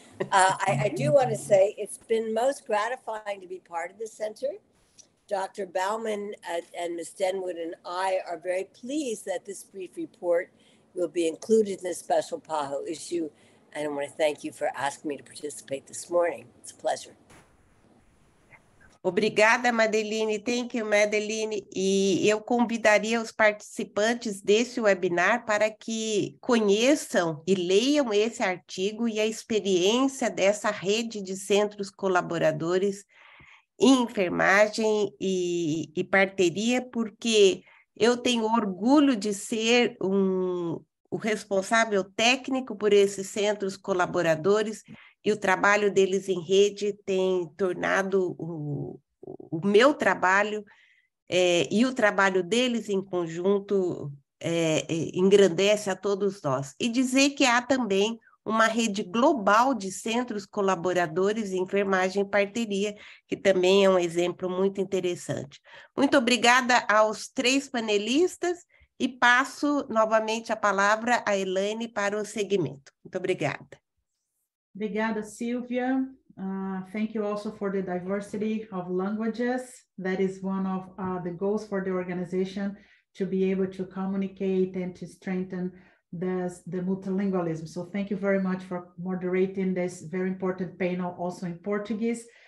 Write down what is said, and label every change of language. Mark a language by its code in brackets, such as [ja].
[en] I do want to say it's been most gratifying to be part of the center. Dr. Bauman and Ms. Denwood and I are very pleased that this brief report will be included in this special PAHO issue. And I want to thank you for asking me to participate this morning. It's a pleasure. [pt] Obrigada, Madeline. [en] Thank you, Madeline. [pt] E eu convidaria os participantes desse webinar para que conheçam e leiam esse artigo e a experiência dessa rede de centros colaboradores em enfermagem e parteria, porque eu tenho orgulho de ser o responsável técnico por esses centros colaboradores e o trabalho deles em rede tem tornado o meu trabalho e o trabalho deles em conjunto engrandece a todos nós. E dizer que há também uma rede global de centros colaboradores, enfermagem e parteria, que também é um exemplo muito interessante. Muito obrigada aos três panelistas e passo novamente a palavra à Elaine para o seguimento. Muito obrigada. Obrigada, Silvia. [en] Thank you also for the diversity of languages. That is one of the goals for the organization, to be able to communicate and to strengthen the multilingualism. So thank you very much for moderating this very important panel also in Portuguese.